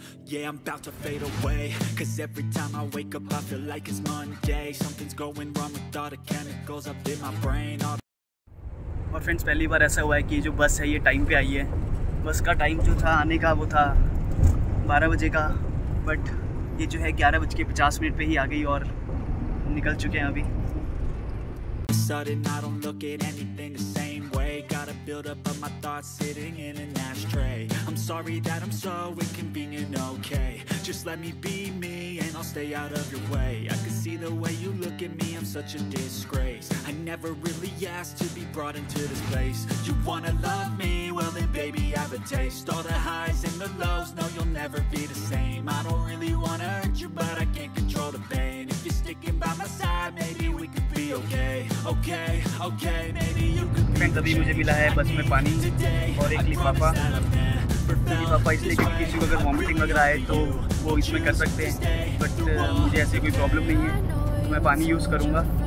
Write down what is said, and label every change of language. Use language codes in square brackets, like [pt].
[en] Yeah, I'm about to fade away. Cause every time I wake up, I feel like it's Monday. Something's going wrong with all the chemicals up in my brain. [hi] और friends पहली बार ऐसा हुआ है कि जो बस है ये टाइम पे आई है। बस का टाइम जो था आने का वो था 12 बजे का, बट ये जो है 11:50 पे ही आ गई और निकल चुके हैं अभी। [en] Sudden, I don't look at anything the same way. Gotta build up of my thoughts sitting in an ashtray. I'm sorry that I'm so inconvenient, okay. Just let me be me and I'll stay out of your way. I can see the way you look at me, I'm such a disgrace. I never really asked to be brought into this place. You wanna love me, well then baby I have a taste. All the highs and the lows, no you'll never be the same. I don't really wanna hurt you, but I can't control the pain. If you're sticking by my side, maybe we could. [hi] Friends अभी मुझे मिला है बस में पानी और एक लिफाफा। लिफाफा इसलिए कि किसी को अगर वॉमिटिंग वगैरह आए तो वो इसमें कर सकते हैं, बट मुझे ऐसी कोई प्रॉब्लम नहीं है तो मैं पानी यूज़ करूँगा।